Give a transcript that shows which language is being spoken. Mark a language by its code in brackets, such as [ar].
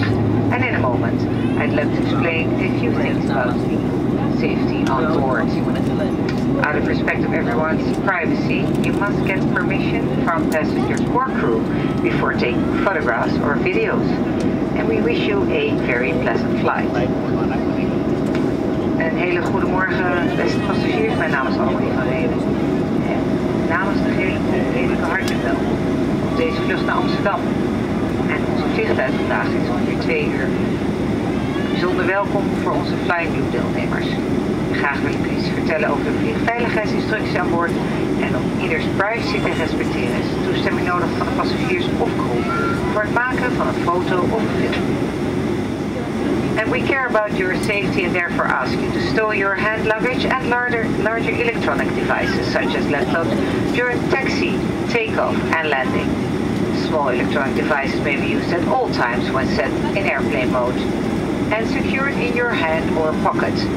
[en] And in a moment, I'd love to explain a few things about safety on board. Out of respect of everyone's privacy, you must get permission from passengers or crew before taking photographs or videos. And we wish you a very pleasant flight. [nl] Een hele goede morgen, beste passagiers. Mijn naam is Annemarie van Reenen. En namens de regering hartelijk welkom op deze vlucht naar Amsterdam. En onze vliegtuig vandaag is ongeveer 2 uur. Bijzonder welkom voor onze flying crew deelnemers. Graag wil ik u iets vertellen over de vliegveiligheidsinstructies aan boord en om ieders privacy te respecteren is toestemming nodig van de passagiers of crew voor het maken van een foto of film. [en] And we care about your safety and therefore ask you to stow your hand luggage and larger electronic devices such as laptops during taxi, takeoff and landing. Small electronic devices may be used at all times when set in airplane mode and secured in your hand or pocket.